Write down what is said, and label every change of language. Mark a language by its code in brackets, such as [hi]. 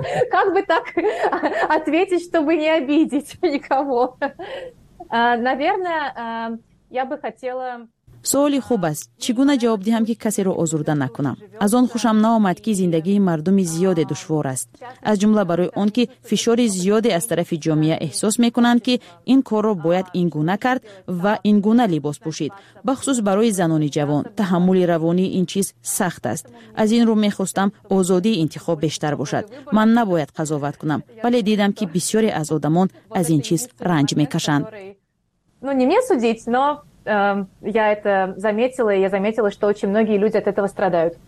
[ru] Как бы так ответить, чтобы не обидеть никого? Наверное, я бы хотела... [tg] Суоли хуб аст. Чи гуна ҷавоб диҳам, ки касеро озурда накунам? Аз он хушам наомад, ки зиндагии мардуми зиёде душвор аст. Аз ҷумла барои он, ки фишори зиёде аз тарафи ҷомеа эҳсос мекунанд, ки ин корро бояд ин гуна кард ва ин гуна либос пушид. Ба хусус барои занони ҷавон, таҳаммули равонии ин чиз сахт аст. Аз ин рӯ мехостам озодии интихоб бештар бошад. Ман набояд қазоват кунам, вале дидам, ки бисёре аз одамон аз ин чиз ранҷ мекашанд. [ru] Ну, не мне судить, но я это заметила, и я заметила, что очень многие люди от этого страдают.